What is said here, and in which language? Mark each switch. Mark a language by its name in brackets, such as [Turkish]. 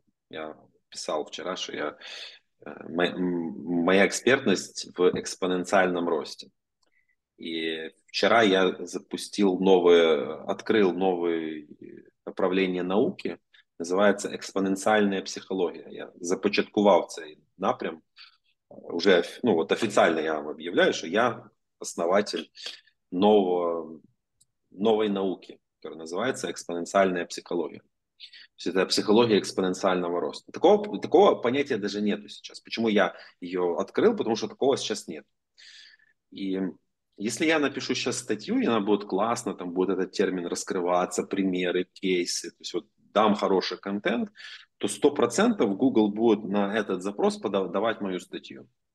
[Russian] Я писал вчера, что моя экспертность в экспоненциальном росте. И вчера я открыл новое направление науки, называется экспоненциальная психология. [Ukrainian] Я започаткував цей напрям. [Russian] Уже, ну вот официально я вам объявляю, что я основатель нового новой науки, которая называется экспоненциальная психология. То есть это психология экспоненциального роста. Такого понятия даже нету сейчас. Почему я ее открыл? Потому что такого сейчас нет. И если я напишу сейчас статью, и она будет классно, там будет этот термин раскрываться, примеры, кейсы, то есть вот дам хороший контент, то 100% Google будет на этот запрос подавать мою статью.